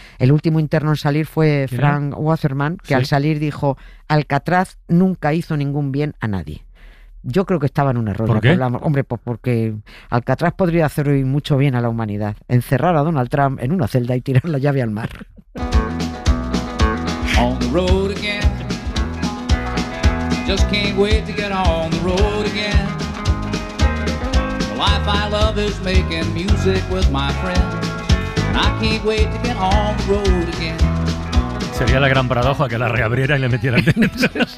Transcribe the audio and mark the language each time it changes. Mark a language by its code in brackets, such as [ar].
[es] El último interno en salir fue Frank Wasserman, que al salir dijo: Alcatraz nunca hizo ningún bien a nadie. Yo creo que estaba en un error. ¿Por qué? Hombre, pues porque Alcatraz podría hacer hoy mucho bien a la humanidad. Encerrar a Donald Trump en una celda y tirar la llave al mar. [en] On the road again. Just can't wait to get on the road again. The life I love is making music with my friends. And I can't wait to get on the road again. [es] Sería la gran paradoja que la reabriera y le metiera dentro.